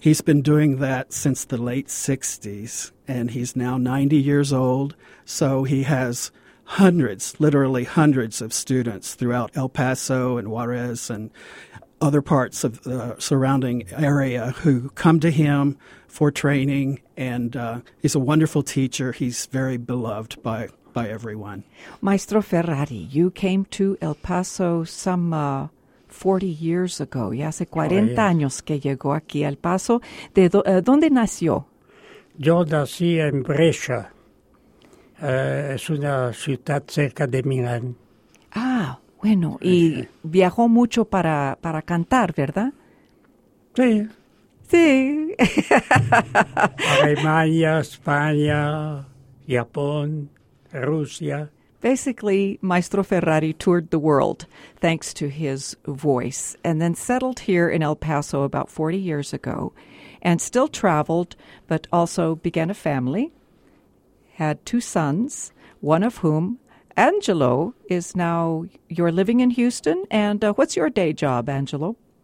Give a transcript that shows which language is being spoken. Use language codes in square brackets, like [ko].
[en] He's been doing that since the late 60s, and he's now 90 years old, so he has hundreds, literally hundreds of students throughout El Paso and Juarez and other parts of the surrounding area who come to him for training, and he's a wonderful teacher. He's very beloved by everyone. Maestro Ferrari, you came to El Paso some 40 years ago. [es] Ya hace 40 años que llegó aquí a El Paso. ¿De dónde nació? Yo nací en Brescia. Es una ciudad cerca de Milán. Ah, bueno, y viajó mucho para cantar, ¿verdad? Sí. Sí. Alemania, España, Japón, Rusia. [en] Basically, Maestro Ferrari toured the world thanks to his voice and then settled here in El Paso about 40 years ago and still traveled, but also began a family, had two sons, one of whom, Angelo, is now, you're living in Houston, and what's your day job, Angelo?